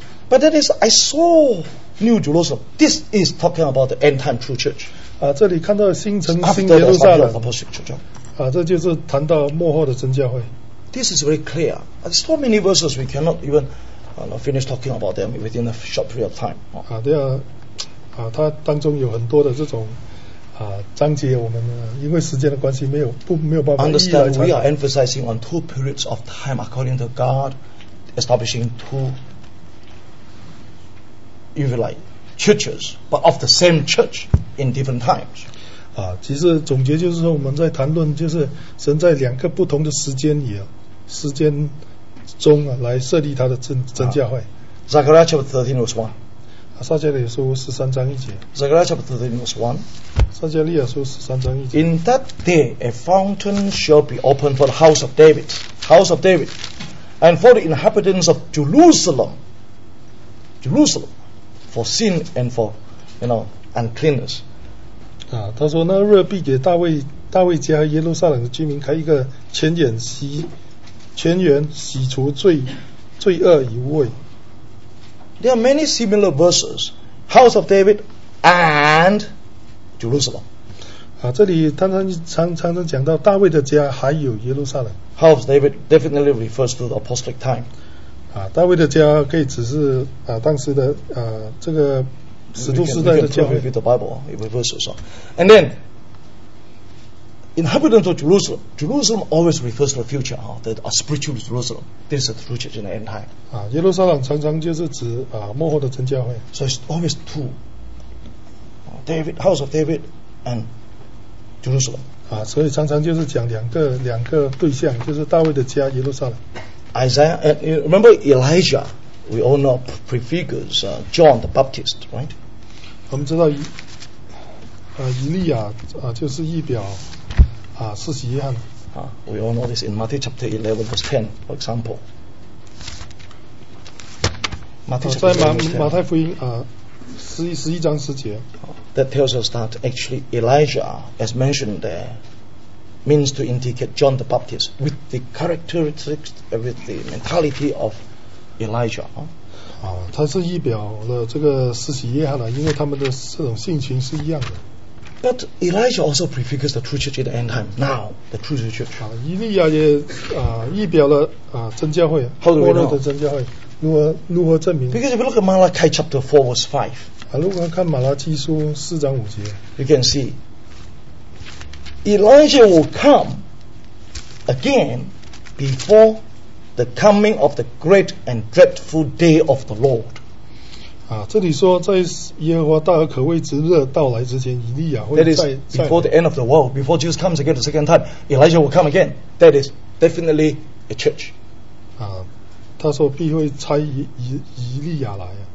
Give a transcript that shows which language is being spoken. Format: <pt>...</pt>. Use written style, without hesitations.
<en>But that is, I saw. New Jerusalem. This is talking about the end time true church.</en> <zh>这里看到新城新耶路撒冷。这就是谈到末后的真教会。</zh> <en>This is very clear. There's so many verses we cannot even finish talking about them within a short period of time.</en> <zh>它当中有很多的这种章节我们因为时间的关系没有不没有办法。</zh> <en>Understand, we are emphasizing on two periods of time according to God establishing two, if you like, churches, but of the same church in different times.</en> <zh>啊，其实总结就是说我们在谈论就是神在两个不同的时间里时间中啊来设立他的真教会。</zh> <en>Zechariah chapter 13 verse 1. In that day, a fountain shall be opened for the house of David, and for the inhabitants of Jerusalem, for sin and for, you know, uncleanness.</en> <zh>啊，他说那日必给大卫家和耶路撒冷的居民开一个泉源，洗除罪恶与污秽。</zh> <en>There are many similar verses, House of David and Jerusalem.</en> <zh>啊，这里常常讲到大卫的家还有耶路撒冷。</zh> <en>House of David definitely refers to the apostolic time.</en> <zh>啊，大卫的家可以只是啊当时的啊这个使徒时代的教会。</zh> <en>We can prove it with the Bible, with verses. And then, inhabitants of Jerusalem. Jerusalem always refers to the future, the spiritual Jerusalem. This is the true church in the end time.</en> <zh>啊，耶路撒冷常常就是指啊末后的真教会。</zh> <en>So it's always two. David, house of David, and Jerusalem.</en> <zh>啊，所以常常就是讲两个对象，就是大卫的家，耶路撒冷。</zh> <en>Isaiah, and you remember Elijah? We all know prefigures John the Baptist, right?</en> <zh>我们知道以利亚啊就是预表。啊，四十一行。</zh> <en>啊 ，we all know this in Matthew chapter 11 verse 10, for example.</en> <zh>马太福音啊，十一章十节。</zh> <en>That tells us that actually Elijah, as mentioned there, means to indicate John the Baptist with the characteristics, with the mentality of Elijah.</en> <zh>啊，他是预表了这个四十一行了，因为他们的这种性情是一样的。</zh> <en>But Elijah also prefigures the true church at the end time. Now, the true church.</en> <zh>以利亚也啊预表了啊真教会，后来的真教会如何证明</zh> <en>？Because if you look at Malachi chapter 4 verse 5,</en> <zh>如果看马拉基书四章五节</zh> <en>，you can see Elijah will come again before the coming of the great and dreadful day of the Lord.</en> <zh>啊，这里说在耶和华大而可畏之日到来之前，以利亚会再。</zh> <en>That is before the end of the world, before Jesus comes again the second time, Elijah will come again. That is definitely a church.</en> <zh>啊，他说必会差以利亚来。</zh>